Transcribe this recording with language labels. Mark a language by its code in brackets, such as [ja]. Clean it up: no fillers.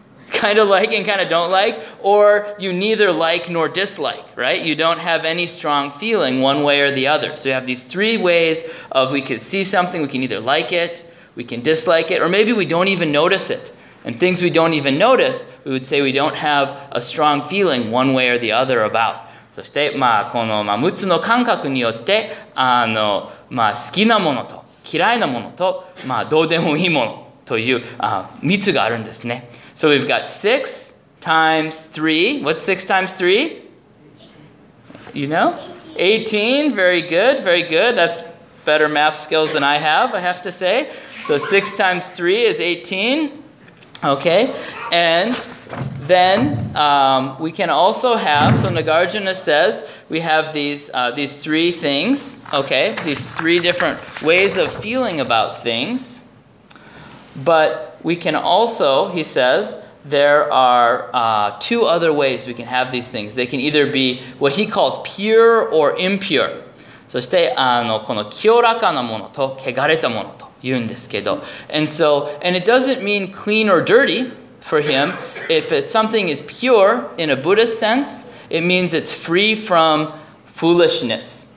[en] Kind of like and kind of don't like, or you neither like nor dislike, right? You don't have any strong feeling one way or the other. So you have these 3 ways of we can see something. We can either like it, we can dislike it, or maybe we don't even notice it. And things we don't even notice, we would say we don't have a strong feeling one way or the other about. [ja] そして、この6つの感覚によって、好きなものと嫌いなものと、どうでもいいものという3つがあるんですね。 [en] So we've got 6 times 3. What's 6 times 3? You know? 18. Very good. Very good. That's better math skills than I have, I have to say. So 6 times 3 is 18. Okay. And then we can also have, so Nagarjuna says we have these 3 things. Okay. These 3 different ways of feeling about things. But we can also, he says, there are 2 other ways we can have these things. They can either be what he calls pure or impure. [ja] そして、この清らかなものと汚れたものと言うんですけど。 [en] And it doesn't mean clean or dirty for him. If it's something is pure in a Buddhist sense, it means it's free from foolishness.